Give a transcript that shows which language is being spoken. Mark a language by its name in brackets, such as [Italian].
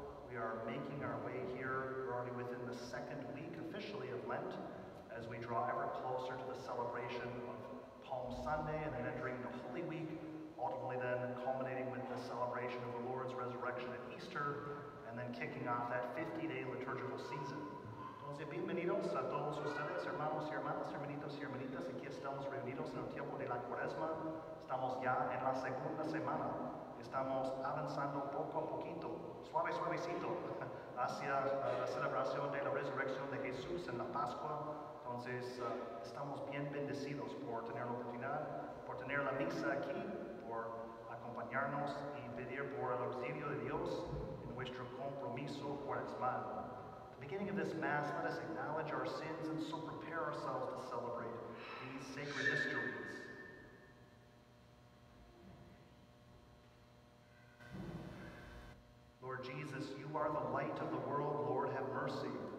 [English] We are making our way here. We're already within the second week, officially, of Lent, as we draw ever closer to the celebration of Palm Sunday and then entering the Holy Week, ultimately then culminating with the celebration of the Lord's resurrection at Easter, and then kicking off that 50-day liturgical season. [Spanish] Entonces, bienvenidos a todos ustedes, hermanos y hermanas, hermanitos y hermanitas. Aquí estamos reunidos en el tiempo de la cuaresma. Estamos ya en la segunda semana. Estamos avanzando poco a poquito, suave, suavecito, hacia la celebración de la resurrección de Jesús en la Pascua. Entonces, estamos bien bendecidos por tener la oportunidad, por tener la misa aquí, por acompañarnos y pedir por el auxilio de Dios en nuestro compromiso cuaresmal. [English] At the beginning of this Mass, let us acknowledge our sins and so prepare ourselves to celebrate these sacred mysteries. Lord Jesus, you are the light of the world. Lord, have mercy.